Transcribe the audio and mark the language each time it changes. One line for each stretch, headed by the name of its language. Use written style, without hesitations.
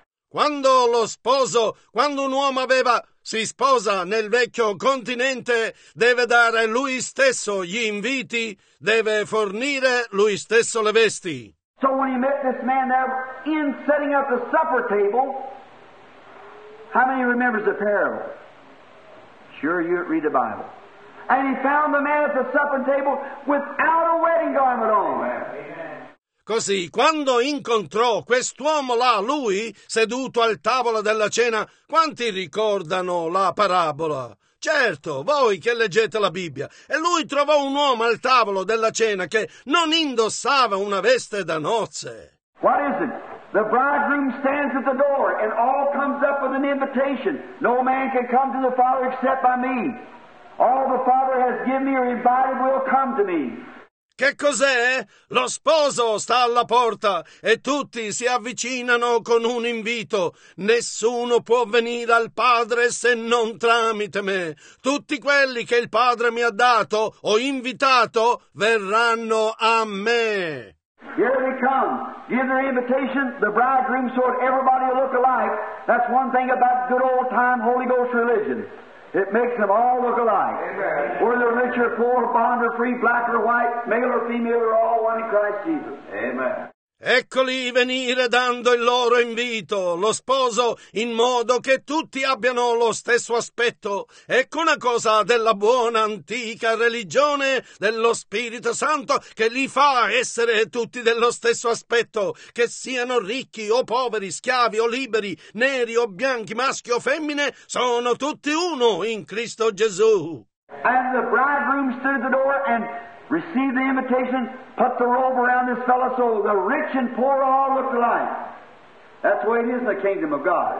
Italian: Quando lo sposo, quando un uomo aveva si sposa nel vecchio continente, deve dare lui stesso gli inviti, deve fornire lui stesso le vesti.
English: So when he met this man there in setting up the supper table, how many remembers the parable? Sure, you read the Bible. And he found the man at the supper table without a wedding garment on. Amen.
Italian: Così, quando incontrò quest'uomo là, lui, seduto al tavolo della cena, quanti ricordano la parabola? Certo, voi che leggete la Bibbia. E lui trovò un uomo al tavolo della cena che non indossava una veste da nozze.
English: What is it? The bridegroom stands at the door and all comes up with an invitation. No man can come to the Father except by me. All the Father has given me or invited will come to me.
Italian: Che cos'è? Lo sposo sta alla porta e tutti si avvicinano con un invito. Nessuno può venire al Padre se non tramite me. Tutti quelli che il Padre mi ha dato o invitato verranno a me.
English: Here they come. Give their invitation. The bridegroom sort everybody look alike. That's one thing about good old time Holy Ghost religion. It makes them all look alike. Amen. Whether they're rich or poor, bond or free, black or white, male or female, they're all one in Christ Jesus. Amen.
Italian: Eccoli venire dando il loro invito, lo sposo, in modo che tutti abbiano lo stesso aspetto. Ecco una cosa della buona antica religione dello Spirito Santo che li fa essere tutti dello stesso aspetto, che siano ricchi o poveri, schiavi o liberi, neri o bianchi, maschi o femmine, sono tutti uno in Cristo Gesù.
English: And the bridegroom stood the door and receive the invitation, put the robe around this fellow so the rich and poor all look alike. That's the way it is in the kingdom of God.